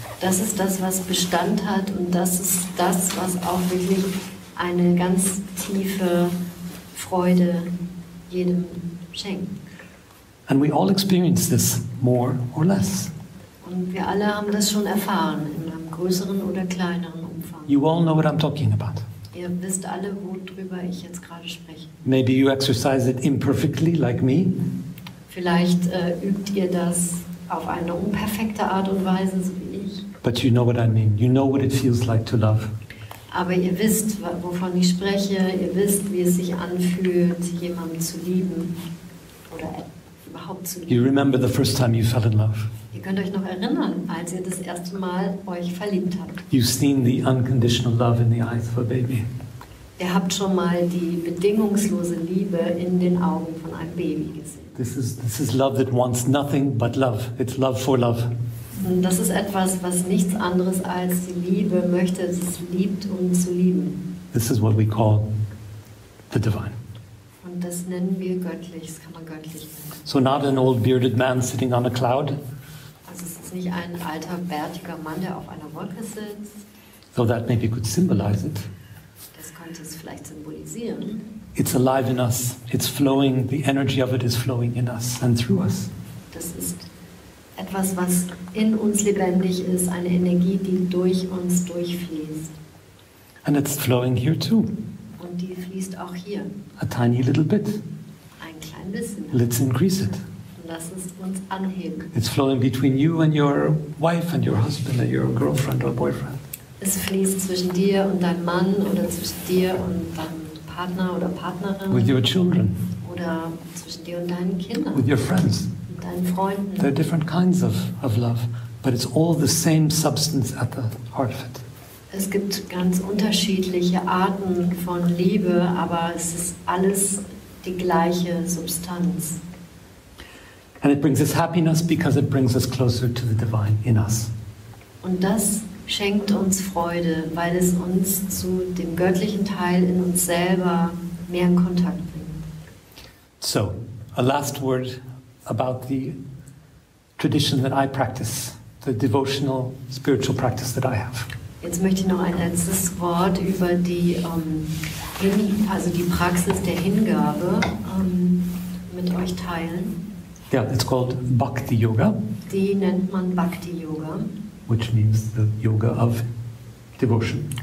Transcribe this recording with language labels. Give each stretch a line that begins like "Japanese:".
German: Das ist das, was Bestand hat, und das ist das, was auch wirklich eine ganz tiefe Freude jedem schenkt.
English: And we all experience this more or less.
German: Und wir alle haben das schon erfahren, in einem größeren oder kleineren Umfang.
English: You all know what I'm talking about.
German: Ihr wisst alle, worüber ich jetzt gerade spreche.
English: Maybe you exercise it imperfectly, like me.
German: Vielleicht übt ihr das auf eine unperfekte Art und Weise, so wie ich.
English: But you know what I mean. You know what it feels like to love.
German: Aber ihr wisst, wovon ich spreche. Ihr wisst, wie es sich anfühlt, jemanden zu lieben oder überhaupt zu lieben.
English: You remember the first time you fell in love.
German: Ihr könnt euch noch erinnern, als ihr das erste Mal euch verliebt habt.
English: You've seen the unconditional love in the eyes of a baby.
German: Ihr habt schon mal die bedingungslose Liebe in den Augen von einem Baby gesehen.
English: This is love that wants nothing but love. It's love for love.
German: Und das ist etwas, was nichts anderes als die Liebe möchte. Es liebt, um zu lieben.
English: This is what we call the divine.
German: Und das nennen wir göttlich. Das kann man göttlich nennen.
English: So not an old bearded man sitting on a cloud.
German: Nicht ein alter, bärtiger Mann, der auf einer Wolke sitzt.
English: So that maybe could symbolize it.
German: Das könnte es vielleicht symbolisieren.
English: It's alive in us. It's flowing. The energy of it is flowing in us and through us.
German: Das ist etwas, was in uns lebendig ist, eine Energie, die durch uns durchfließt.
English: And it's flowing here too.
German: Und die fließt auch hier.
English: A tiny little bit.
German: Ein klein bisschen.
English: Let's increase it.
German: Lass es uns anheben.
English: It's flowing between you and your wife and your husband and your girlfriend or boyfriend.
German: Es fließt zwischen dir und deinem Mann oder zwischen dir und deinem Partner oder Partnerin.
English: With your children.
German: Oder zwischen dir und deinen Kindern.
English: With your friends.
German: Mit deinen Freunden.
English: There are different kinds of love, but it's all the same substance at the heart of it.
German: Es gibt ganz unterschiedliche Arten von Liebe, aber es ist alles die gleiche Substanz.
English: And it brings us happiness because it brings us closer to the divine in us.
German: Und das schenkt uns Freude, weil es uns zu dem göttlichen Teil in uns selber mehr in Kontakt bringt.
English: So, a last word about the tradition that I practice, the devotional spiritual practice that I have.
German: Jetzt möchte ich noch ein letztes Wort über die die Praxis der Hingabe mit euch teilen.
English: Yeah, it's called Bhakti Yoga.
German: Die nennt man Bhakti Yoga.
English: Which means the yoga of devotion.